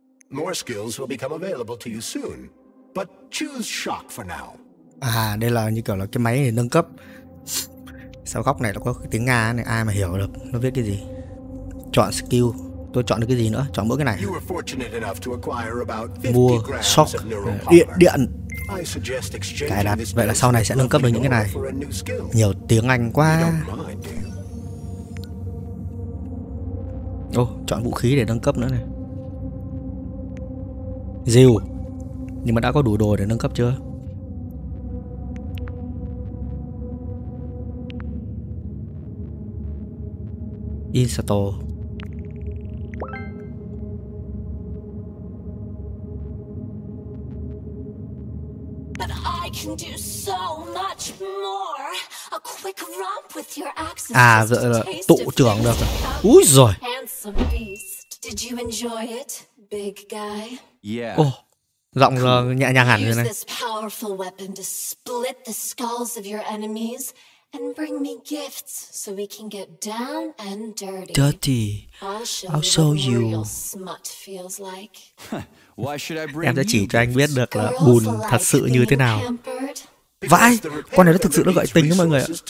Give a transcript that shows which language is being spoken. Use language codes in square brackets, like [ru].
[en] More skills will become available to you soon. but choose shock for now. [vi] À, đây là như kiểu là cái máy này nâng cấp. Sao góc này nó có tiếng Nga này, ai mà hiểu được nó viết cái gì. Chọn skill, tôi chọn được cái gì nữa? Chọn mỗi cái này. [en] You were fortunate enough to acquire about 50 grams of neural power. [vi] Cài đặt, vậy là sau này sẽ nâng cấp được những cái này. Nhiều tiếng Anh quá. Ô, chọn vũ khí để nâng cấp nữa này. Dìu. Nhưng mà đã có đủ đồ để nâng cấp chưa? [en] Install. But I can do so much more. A quick romp with your axe. [vi] À, rồi là tụ trưởng được. Úi giời. [en] Handsome beast. Did you enjoy it, big guy? Yeah. [vi] Oh, giọng là nhẹ nhàng hẳn rồi này. [en] This powerful weapon to split the skulls of your enemies. And bring me gifts so we can get down and dirty. Dirty. I'll show you what real smut feels like. Why should I bring [vi] em sẽ chỉ cho anh biết được là bùn thật sự như thế nào. Vãi, con này nó thực sự nó gợi tình đó mọi người ạ.